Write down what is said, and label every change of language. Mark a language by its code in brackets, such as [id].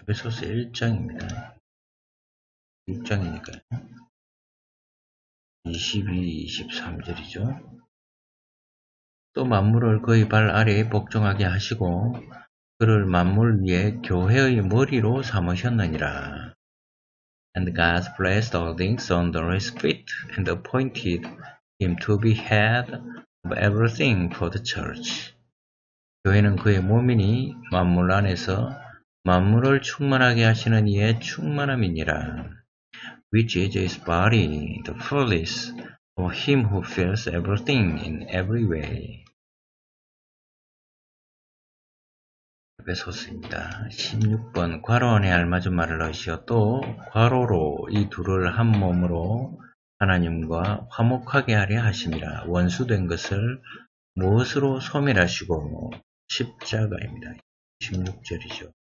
[ko] 에베소서 1장입니다. 6장이니까요. 22, 23절이죠. 또 만물을 그의 발 아래에 복종하게 하시고 그를 만물 위에 교회의 머리로 삼으셨느니라. [en] And God placed all things under his feet and appointed him to be head of everything for the church. [ko] 교회는 그의 몸이니 만물 안에서 만물을 충만하게 하시는 이의 충만함이니라. [en] Which is his body, the fullness of him who fills everything in every way. [ko] 에베소서입니다. 16번 괄호 안에 알맞은 말을 넣으시어 또 괄호로 이 둘을 한 몸으로 하나님과 화목하게 하려 하심이라. 원수된 것을 무엇으로 소멸하시고 십자가입니다. 16절이죠.